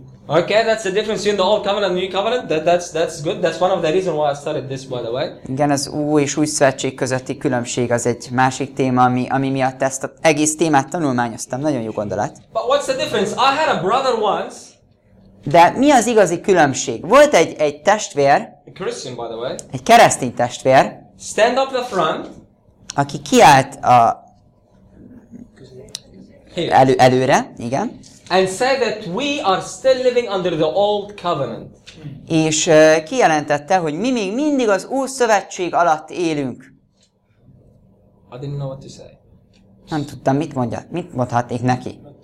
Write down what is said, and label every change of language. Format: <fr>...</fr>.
<en>Okay, that's the difference between the old covenant and the new covenant. That's good. That's one of the reasons why I started this, by the way.</en> <hu>Igen, az új és új szövetség közötti különbség az egy másik téma, ami miatt ezt az egész témát tanulmányoztam. Nagyon jó gondolat.</hu> <en>But what's the difference? I had a brother once.</en> <hu>De mi az igazi különbség? Volt egy testvér,</hu> <en>a Christian, by the way,</en> <hu>egy keresztény testvér,</hu> <en>stand up the front,</en> <hu>aki kiállt a előre, igen,</hu> <en>and said that we are still living under the old covenant.</en> <hu>És kijelentette, hogy mi még mindig az új szövetség alatt élünk.</hu> <en>I didn't know what to say.</en> <hu>Nem tudtam, mit mondja, mit mondhatnék neki.</hu>